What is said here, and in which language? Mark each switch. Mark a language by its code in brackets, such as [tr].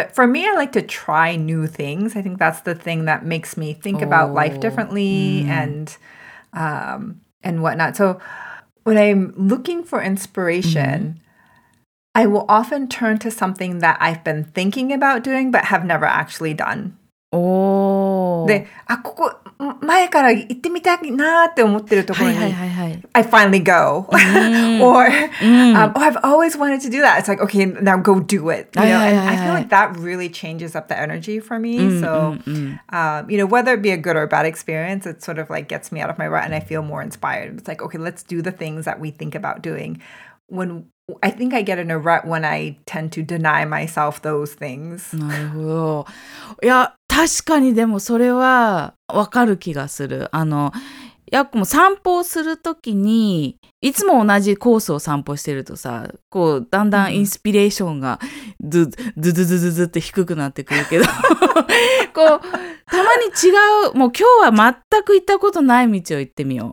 [en] But for me, I like to try new things. I think that's the thing that makes me think about life differently and whatnot. So when I'm looking for inspiration, I will often turn to something that I've been thinking about doing but have never actually done. Oh. [ja] で、あ、ここ、前から行ってみたいなって思ってるところに、はいはいはいはい、 [en] I finally go. Or I've always wanted to do that. It's like, okay, now go do it. You know? And I feel like that really changes up the energy for me. You know, whether it be a good or bad experience, it sort of like gets me out of my rut and I feel more inspired. It's like, okay, let's do the things that we think about doing. When I think I get in a rut when I tend to deny myself those things. [ja] なるほど。いや、確かにでもそれはわかる気がする。あの、やっこも散歩をするときに、いつも同じコースを散歩してるとさ、こう、だんだんインスピレーションがズズズズズって低くなってくるけど、こう、たまに違う、もう今日は全く行ったことない道を行ってみよう。